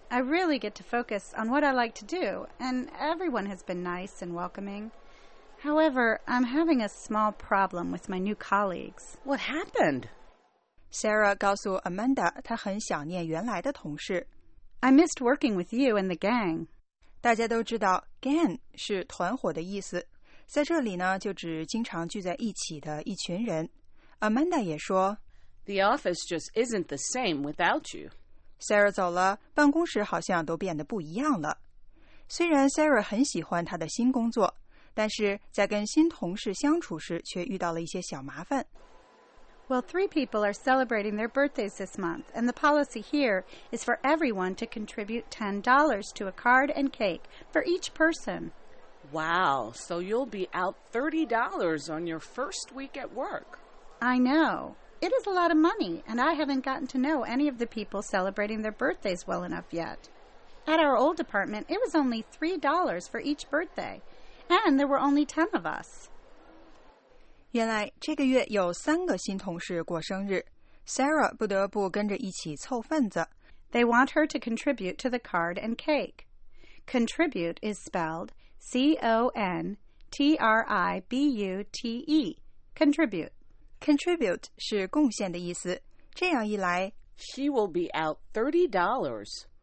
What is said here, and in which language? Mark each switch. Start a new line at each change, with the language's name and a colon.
English: I really get to focus on what I like to do, and everyone has been nice and welcoming. However, I'm having a small problem with my new colleagues. What happened?
Chinese: Sarah 告诉 Amanda 她很想念原来的同事。
English: I missed working with you and the gang.
Chinese: 大家都知道 gang 是团伙的意思。在这里呢就指经常聚在一起的一群人。 Amanda 也说
English: The office just isn't the same without you.
Chinese: Sarah 走了，办公室好像都变得不一样了。虽然 Sarah 很喜欢她的新工作，但是在跟新同事相处时却遇到了一些小麻烦。
English: Well, three people are celebrating their birthdays this month, and the policy here is for everyone to contribute $10 to a card and cake for each person. Wow, so you'll be out $30 on your first week at work. I know. It is a lot of money, and I haven't gotten to know any of the people celebrating their birthdays well enough yet. At our old department, it was only $3 for each birthday, and there were only 10 of us.
Chinese: 原来这个月有三个新同事过生日 ，Sarah 不得不跟着一起凑份子。
English: They want her to contribute to the card and cake. Contribute is spelled C-O-N-T-R-I-B-U-T-E. contribute, contribute.
Chinese: Contribute 是贡献的意思。这样一来
English: She will be out $30.